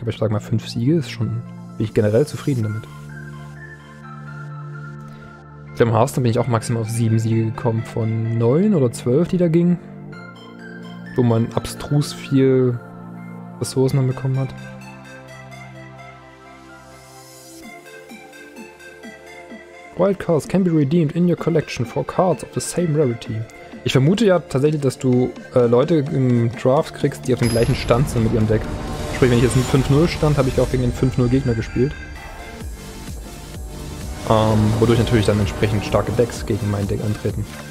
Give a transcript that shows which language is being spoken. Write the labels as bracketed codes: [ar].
[de] Aber ich sage mal, 5 Siege ist schon, bin ich generell zufrieden damit. Ich glaube, im Hearthstone bin ich auch maximal auf 7 Siege gekommen von 9 oder 12, die da gingen. Wo man abstrus viel Ressourcen dann bekommen hat. [en] Wildcards can be redeemed in your collection for cards of the same rarity. [de] Ich vermute ja tatsächlich, dass du Leute im Draft kriegst, die auf dem gleichen Stand sind mit ihrem Deck. Sprich, wenn ich jetzt einen 5-0 stand, habe ich auch gegen den 5-0 Gegner gespielt. Wodurch natürlich dann entsprechend starke Decks gegen mein Deck antreten.